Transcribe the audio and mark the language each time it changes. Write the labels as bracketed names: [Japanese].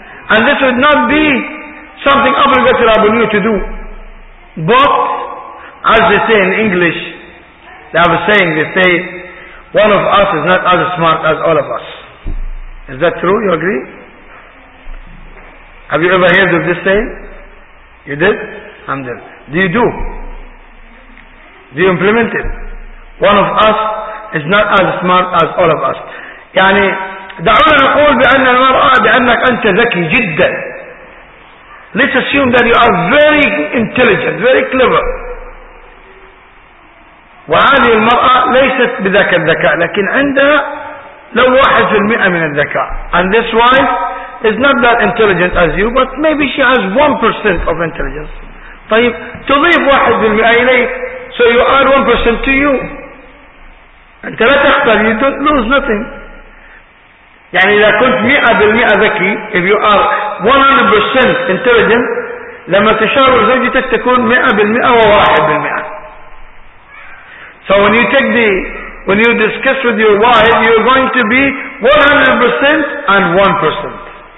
[English] And this would not be something obligatory upon you to do, but as they say in English, they have a saying, they say, one of us is not as smart as all of us. Is that true? You agree? Have you ever heard of this saying? You did? Alhamdulillah. Do you do? Do you implement it? One of us is not as smart as all of us. [Arabic] يعني دعونا نقول بأن المرأة بأنك أنت ذكي جدا. [English] Let's assume that you are very intelligent, very clever. [Arabic] وهذه المرأة ليست بذاك الذكاء، لكن عندها لو 1% من الذكاء. [English] And this wife is not that intelligent as you, but maybe she has 1% of intelligence. [Arabic] طيب تضيف 1% إليك, [English] so you add 1% to you. [Arabic] أنت لا تخسر, [English] you don't lose nothing. [Arabic] يعني إذا كنت 100% ذكي, [English] if you are 100% intelligent, [Arabic] لما تشاور زوجتك تكون 100% و1%. [English] So when you take the, when you discuss with your wife, you're going to be 100% and 1%.